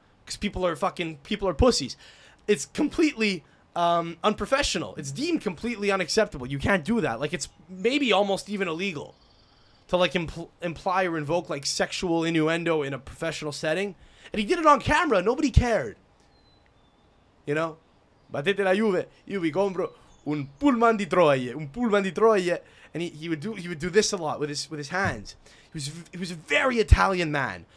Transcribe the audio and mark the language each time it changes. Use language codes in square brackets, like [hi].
[en] Because people are pussies. It's completely... unprofessional. It's deemed completely unacceptable. You can't do that. Like, it's maybe almost even illegal to, like, imply or invoke, like, sexual innuendo in a professional setting. And he did it on camera. Nobody cared. You know? [it] Battete la Juve, io vi compro un pullman di Troia, un pullman di Troia. [en] And he would do this a lot with his hands. He was a very Italian man.